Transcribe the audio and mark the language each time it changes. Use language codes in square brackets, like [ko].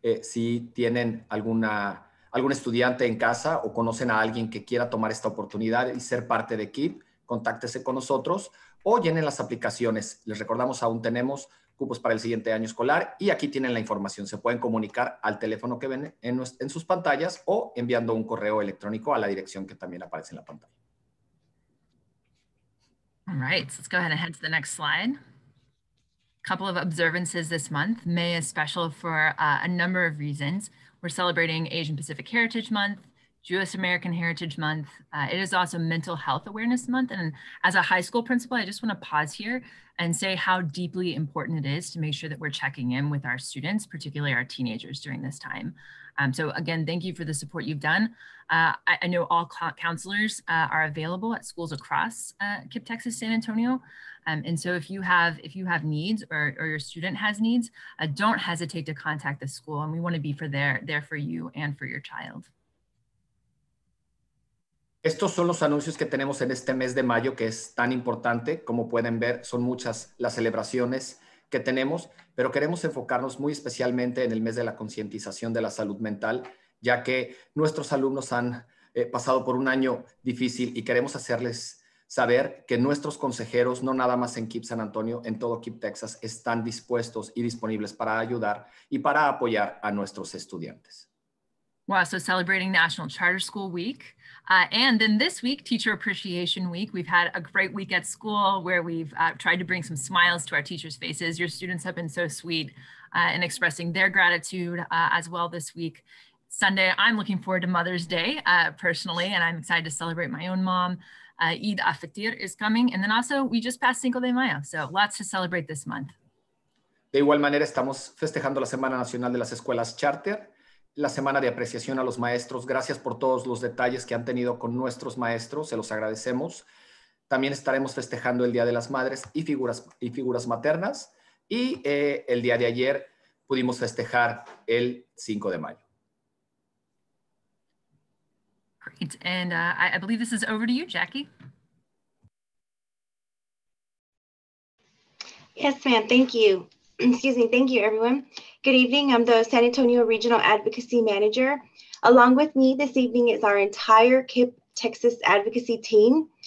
[es] Si tienen algún estudiante en casa o conocen a alguien que quiera tomar esta oportunidad y ser parte de KIPP, contáctese con nosotros o llenen las aplicaciones. Les recordamos, aún tenemos cupos para el siguiente año escolar y aquí tienen la información. Se pueden comunicar al teléfono que ven en sus pantallas o enviando un correo electrónico a la dirección que también aparece en la pantalla. [en] All right, let's go ahead and head to the next slide. Couple of observances this month. May is special for a number of reasons. We're celebrating Asian Pacific Heritage Month, Jewish American Heritage Month. It is also Mental Health Awareness Month. And as a high school principal, I just want to pause here and say how deeply important it is to make sure that we're checking in with our students, particularly our teenagers during this time. So again, thank you for the support you've done. I know all counselors are available at schools across KIPP Texas San Antonio. And so if you have needs or your student has needs, don't hesitate to contact the school. And we want to be there for you and for your child. [es] Estos son los anuncios que tenemos en este mes de mayo, que es tan importante. Como pueden ver, son muchas las celebraciones que tenemos, pero queremos enfocarnos muy especialmente en el mes de la concientización de la salud mental, ya que nuestros alumnos han pasado por un año difícil y queremos hacerles saber que nuestros consejeros, no nada más en KIPP San Antonio, en todo KIPP Texas, están dispuestos y disponibles para ayudar y para apoyar a nuestros estudiantes. [en] Wow, so celebrating National Charter School Week. And then this week, Teacher Appreciation Week, we've had a great week at school where we've tried to bring some smiles to our teachers' faces. Your students have been so sweet in expressing their gratitude as well this week. Sunday, I'm looking forward to Mother's Day personally, and I'm excited to celebrate my own mom. Eid al-Fitr is coming. And then also, we just passed Cinco de Mayo, so lots to celebrate this month. [es] De igual manera, estamos festejando la Semana Nacional de las Escuelas Charter, la Semana de Apreciación a los Maestros. Gracias por todos los detalles que han tenido con nuestros maestros. Se los agradecemos. También estaremos festejando el Día de las Madres y figuras maternas. Y el día de ayer pudimos festejar el 5 de mayo. [en] Great. And I believe this is over to you, Jackie. Yes, ma'am. Thank you. Excuse me. Thank you, everyone. Good evening. I'm the San Antonio Regional Advocacy Manager. Along with me this evening is our entire KIPP Texas Advocacy team.